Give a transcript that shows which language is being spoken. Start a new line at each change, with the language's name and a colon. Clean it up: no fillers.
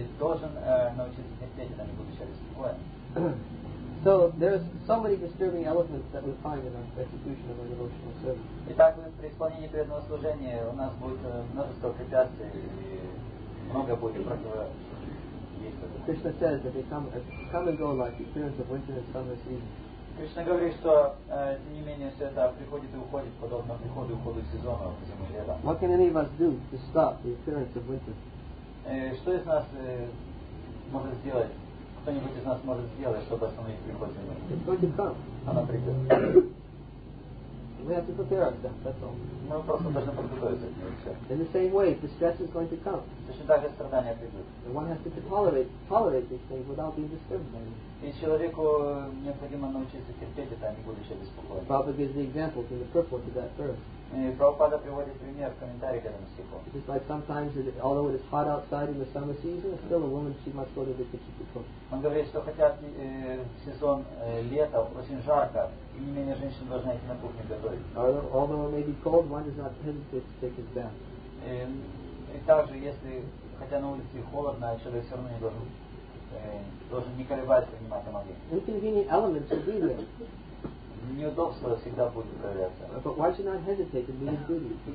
Russian: И должен научиться терпеть это, не будучи обеспокоен.
English: So, there is so many disturbing elements that we find in our execution of our devotional service.
Russian: Итак, при исполнении преданного служения у нас будет множество препятствий, и много будет противодействия.
English: Krishna says that they come and go like the appearance of winter and summer season.
Russian: Krishna говорит, что тем не менее все это приходит и уходит подобно приходу и уходу сезона в зиму и лето.
English: What can any of us do to stop the appearance of winter?
Russian: Что из нас может сделать? Кто-нибудь из нас может сделать, чтобы остановить приход зимы?
English: It's going to come.
Russian: Она придет.
English: We have to prepare ourselves, that's all.
Russian: Мы просто должны подготовиться к ней.
English: In the same way, the stress is going to come.
Russian: Точно так же страдания придут.
English: And one has to tolerate these things without being disturbed by them.
Russian: И человеку необходимо научиться терпеть это, не будучи беспокоен.
English: Prabhupada gives the example in the purport to that verse.
Russian: И Прабхупада приводит пример в комментарии к этому стиху.
English: It is like sometimes, although it is hot outside in the summer season, still a woman, she must go to the kitchen to cook.
Russian: Он говорит, что хотя сезон лета очень жарко, тем не менее женщина должна идти на кухню готовить.
English: Although it may be cold, one does not hesitate to take his bath.
Russian: И также, если хотя на улице холодно, человек все равно не должен не колебаться принимать омовение.
English: Inconvenient elements will be there.
Russian: Неудобства всегда будут проявляться.
English: But why should not hesitate to do his duty?